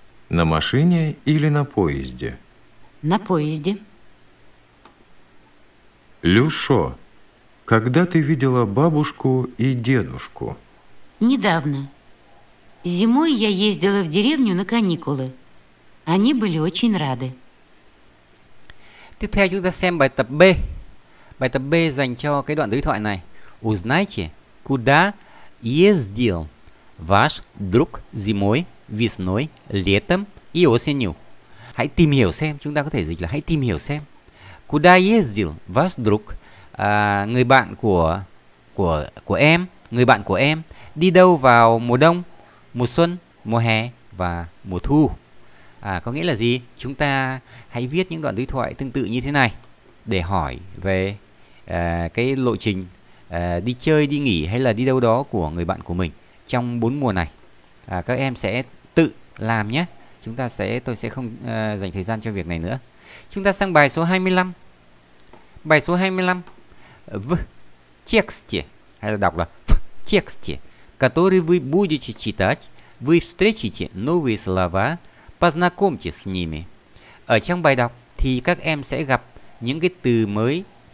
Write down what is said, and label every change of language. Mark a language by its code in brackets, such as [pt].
[ru] На машине или на поезде? На поезде. Люшо, когда ты видела бабушку и дедушку? Недавно. Зимой я ездила в деревню на каникулы. Они были очень рады. [vi] Tiếp theo chúng ta xem bài tập B. Bài tập B dành cho cái đoạn đối thoại này. [ru] Узнайте, куда ездил ваш друг зимой, весной, летом и осенью. [vi] Hãy tìm hiểu xem. Chúng ta có thể dịch là hãy tìm hiểu xem. [ru] Куда ездил ваш друг? [vi] Người bạn của em. Người bạn của em. Đi đâu vào mùa đông, mùa xuân, mùa hè và mùa thu? Có nghĩa là gì? Chúng ta hãy viết những đoạn đối thoại tương tự như thế này để hỏi về cái lộ trình đi chơi, đi nghỉ hay là đi đâu đó của người bạn của mình trong 4 mùa này. Các em sẽ tự làm nhé. Tôi sẽ không dành thời gian cho việc này nữa. Chúng ta sang bài số 25. Bài số 25. [ru] В тексте. [vi] Hay là đọc là [ru] в тексте. который вы будете читать, вы встретите новые слова, познакомьтесь с ними. [vi] Ở trong bài đọc thì các em sẽ gặp những cái từ mới.